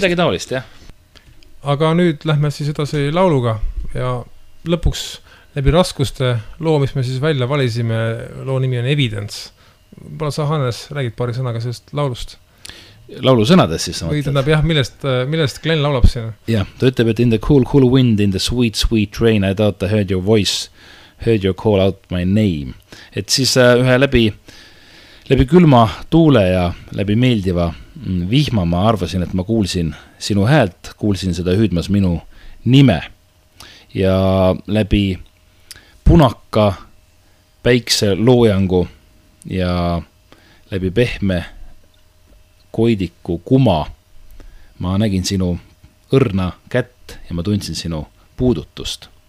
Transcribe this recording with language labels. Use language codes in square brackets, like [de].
[et] Midagi taolist, jah. Aga nüüd lähme siis edasi lauluga ja lõpuks läbi raskuste loo, mis me siis välja valisime, loo nimi on Evidence. Pala sa, Hannes, räägid paari sõnaga sellest laulust. Laulusõnades siis. Või tõndab jah, millest Glenn laulab siin. Jah, ta ütleb, et [en] in the cool, cool wind, in the sweet, sweet rain, I thought I heard your voice, heard your call out my name. [et] Et siis ühe läbi külma tuule ja läbi meeldiva vihma ma arvasin, et ma kuulsin sinu häält, kuulsin seda hüüdmas minu nime. Ja läbi punaka päikse loojangu ja läbi pehme koidiku kuma, ma nägin sinu õrna kätt ja ma tundsin sinu puudutust.